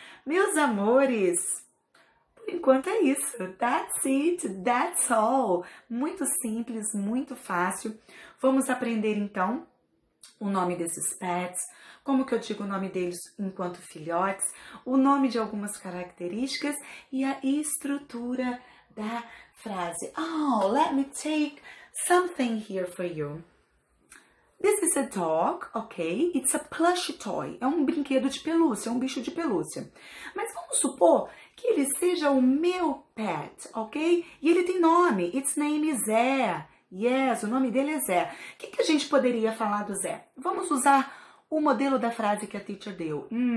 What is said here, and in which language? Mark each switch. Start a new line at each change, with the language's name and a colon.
Portuguese: Meus amores! Enquanto é isso,
English: that's it, that's all.
Portuguese: Muito simples, muito fácil. Vamos aprender então o nome desses pets, como que eu digo o nome deles enquanto filhotes, o nome de algumas características e a estrutura da frase.
English: Oh, let me take something here for you. This is a dog, okay? It's a plush toy.
Portuguese: É um brinquedo de pelúcia, é um bicho de pelúcia. Mas vamos supor que ele seja o meu pet, ok? E ele tem nome.
English: Its name is Zé. Yes,
Portuguese: o nome dele é Zé. O que que a gente poderia falar do Zé? Vamos usar o modelo da frase que a teacher deu.